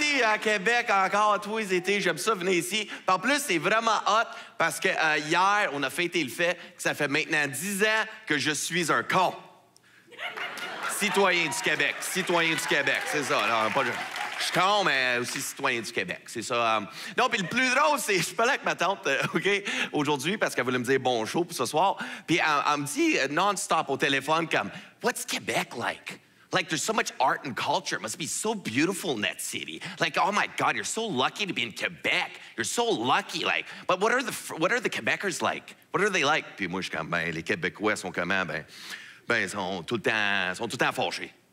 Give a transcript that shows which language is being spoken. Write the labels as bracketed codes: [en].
[fr] à Québec encore tous les étés. J'aime ça venir ici. En plus, c'est vraiment hot parce que hier, on a fêté le fait que ça fait maintenant 10 ans que je suis un con. Citoyen du Québec. Citoyen du Québec, c'est ça. Là, pas de... Je suis con, mais aussi citoyen du Québec, c'est ça. Non, puis le plus drôle, c'est que je parlais avec ma tante, OK, aujourd'hui, parce qu'elle voulait me dire bonjour pour ce soir. Puis elle me dit non-stop au téléphone, comme, [en] what's Québec like? Like, there's so much art and culture. It must be so beautiful in that city. Like, oh my God, you're so lucky to be in Québec. You're so lucky, like. But what are the Québécois like? What are they like? [fr] Puis moi, je suis comme, ben, les Québécois sont comment? Ben, ils sont tout le temps fâchés.